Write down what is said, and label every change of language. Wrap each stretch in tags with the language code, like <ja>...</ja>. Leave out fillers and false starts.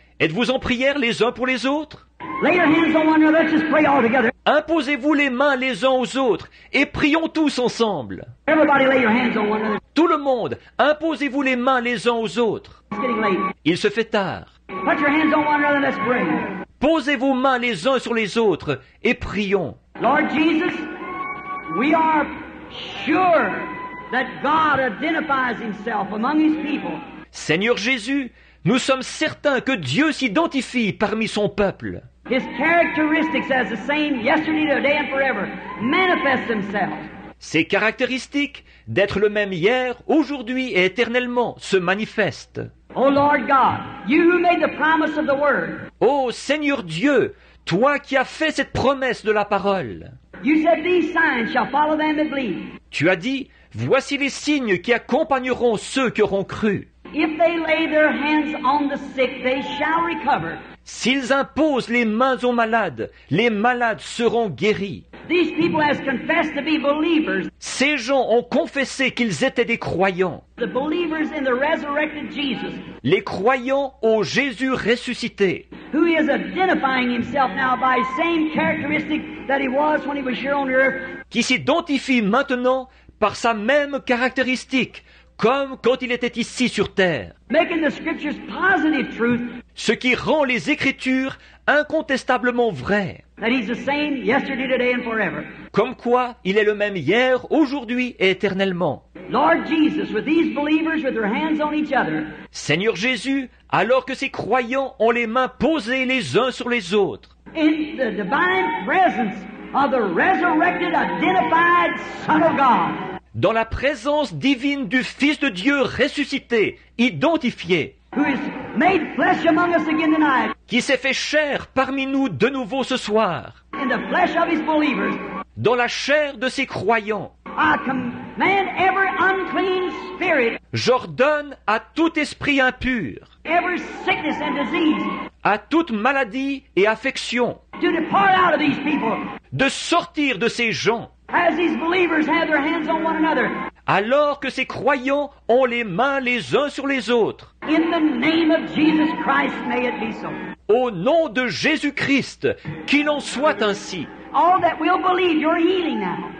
<fr>Êtes-vous en prière les uns pour les autres?</fr> <en>Lay your hands on one another, let's just pray all together.</en> <fr>Imposez-vous les mains les uns aux autres et prions tous ensemble.</fr> <en>Everybody lay your hands on one another.</en> <fr>Tout le monde, imposez-vous les mains les uns aux autres.</fr> <en>It's getting late.</en> <fr>Il se fait tard.</fr> <en>Put your hands on one another, let's pray.</en> <fr>Posez vos mains les uns sur les autres et prions.</fr> <en>Lord Jesus, we are sure that God identifies himself among his people.</en> <fr>Seigneur Jésus, nous sommes certains que Dieu s'identifie parmi son peuple.</fr> <en>His characteristics as the same yesterday, today and forever manifest themselves.</en> <fr>Ses caractéristiques d'être le même hier, aujourd'hui et éternellement se manifestent.</fr> <en>Oh Lord God, you who made the promise of the word.</en> <fr>Oh Seigneur Dieu, toi qui as fait cette promesse de la parole.</fr> <en>You said these signs shall follow them that believe.</en> <fr>Tu as dit, voici les signes qui accompagneront ceux qui auront cru.</fr> <en>If they lay their hands on the sick, they shall recover.</en> <fr>S'ils imposent les mains aux malades, les malades seront guéris.</fr> <en>These people have confessed to be believers.</en> <fr>Ces gens ont confessé qu'ils étaient des croyants.</fr> <en>The believers in the resurrected Jesus.</en> <fr>Les croyants au Jésus ressuscité.</fr> <en>Who is identifying himself now by the same characteristic that he was when he was here on earth.</en> <fr>Qui s'identifie maintenant par sa même caractéristique. Comme quand il était ici sur terre.</fr> <en>Making the scriptures positive truth.</en> <fr>Ce qui rend les Écritures incontestablement vrai.</fr> <en>That he's the same yesterday, today, and forever.</en> <fr>Comme quoi, il est le même hier, aujourd'hui et éternellement.</fr> <en>Lord Jesus, with these believers with their hands on each other.</en> <fr>Seigneur Jésus, alors que ces croyants ont les mains posées les uns sur les autres.</fr> <en>In the divine presence of the resurrected, identified Son of God.</en> <fr>Dans la présence divine du Fils de Dieu ressuscité, identifié.</fr> <en>Who is made flesh among us again tonight.</en> <fr>Qui s'est fait chair parmi nous de nouveau ce soir.</fr> <en>In the flesh of his believers.</en> <fr>Dans la chair de ses croyants.</fr> <en>I command every unclean spirit.</en> <fr>J'ordonne à tout esprit impur.</fr> <en>Every sickness and disease.</en> <fr>À toute maladie et affection.</fr> <en>To depart out of these people.</en> <fr>De sortir de ces gens.</fr> <en>As these believers have their hands on one another.</en> <fr>Alors que ces croyants ont les mains les uns sur les autres.</fr> <en>In the name of Jesus Christ, may it be so.</en> <fr>Au nom de Jésus-Christ, qu'il en soit ainsi.</fr> <en>All that will believe your healing now.</en>